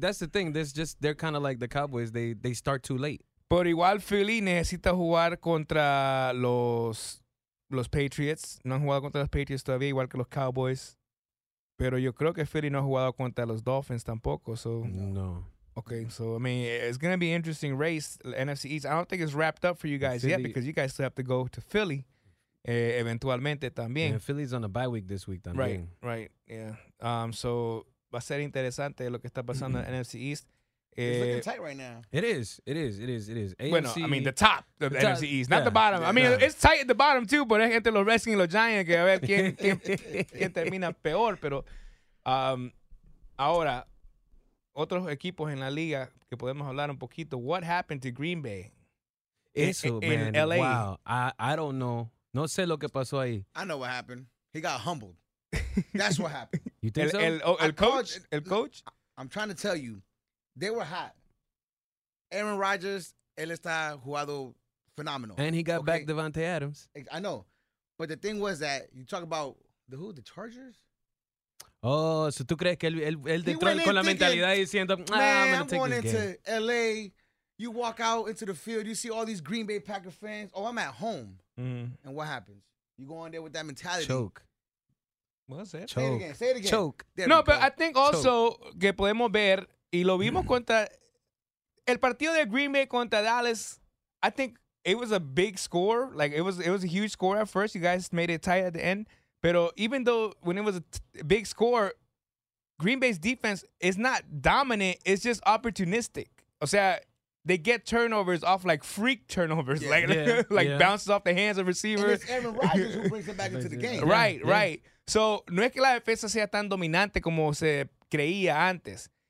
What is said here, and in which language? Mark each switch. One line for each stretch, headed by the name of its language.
English: That's the thing. They're kind of like the Cowboys. They start too late.
Spanish: Por igual, Philly necesita jugar contra los Patriots. No han jugado contra los Patriots todavía, igual que los Cowboys. Pero yo creo que Philly no ha jugado contra los Dolphins tampoco.
English: So. No. Okay, so, I mean, it's going to be an interesting race, NFC East. I don't think it's wrapped up for you guys yet because you guys still have to go to Philly.
Spanish: Eventualmente también.
English: Yeah, Philly's on a bye week this week también. Right, yeah.
Spanish: So, va a ser interesante lo que está pasando en NFC East.
English: It's looking tight right now. It is. AFC, bueno, I mean, the top NFC East, not the bottom. Yeah, I mean, it's tight at the bottom too, but
Spanish: es entre los Redskins y los Giants que a ver quién termina peor. Pero ahora, otros equipos en la liga que podemos hablar un poquito.
English: What happened to Green Bay? LA. Wow, I don't know.
Spanish: No sé lo que pasó ahí.
English: I know what happened. He got humbled. That's what happened. You think so?
Spanish: El coach?
English: I'm trying to tell you. They were hot. Aaron Rodgers,
Spanish: él está jugado
English: phenomenal. And he got back Devontae Adams. I know. But the thing was that you talk about the Chargers?
Spanish: Oh, so tú crees que él entró con la mentalidad diciendo,
English: I'm going into L.A. You walk out into the field, you see all these Green Bay Packer fans. Oh, I'm at home. Mm-hmm. And what happens? You go in there with that mentality. Choke. What's that? Say it again. Choke. But I think also choke.
Spanish: Que podemos ver, y lo vimos contra el partido de Green Bay contra Dallas,
English: I think it was a big score. Like, it was a huge score at first. You guys made it tight at the end. Pero even though when it was a big score, Green Bay's defense is not dominant. It's just opportunistic. O sea, they get turnovers off like freak turnovers, bounces off the hands of receivers. And it's Aaron Rodgers who brings them back into the game. Right.
Spanish: So, no es que la defensa sea tan dominante como se creía antes.